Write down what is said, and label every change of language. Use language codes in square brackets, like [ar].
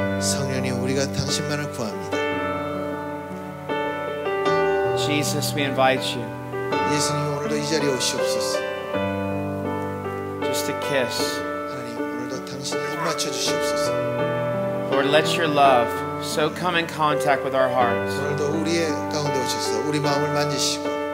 [ko] 성령님, 우리가 당신만을 구합니다. [en] Jesus, we invite you. [ko] 예수님, 오늘도 이 자리에 오시옵소서. [en] Just a kiss. [ko] 하나님, 오늘도 당신의 입 맞춰 주시옵소서. [en] Lord, let your love so come in contact with our hearts. [ko] 오늘도 우리의 가운데 오셔서 우리 마음을 만지시고.